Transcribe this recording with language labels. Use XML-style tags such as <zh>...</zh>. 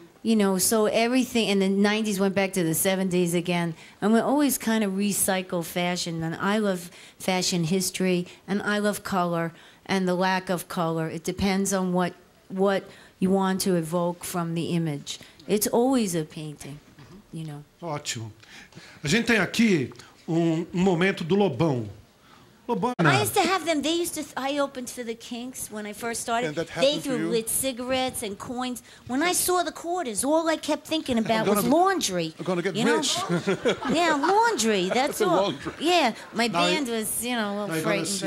<en>You know, so everything, and the 90s went back to the 70s again. And we always kind of recycle fashion. And I love fashion history, and I love color, and the lack of color. It depends on what you want to evoke from the image. It's always a painting. You know.</en> <pt>Ótimo. A gente tem aqui um momento do Lobão.</pt> <en>Lobana. I used to have them. I opened for the Kinks when I first started. And that they threw for you? Lit cigarettes and coins. When I saw the quarters, all I kept thinking about was laundry. I'm going to get rich. Yeah, laundry. That's all. Laundry. Yeah, my band was, you know, a little frightened. See</en>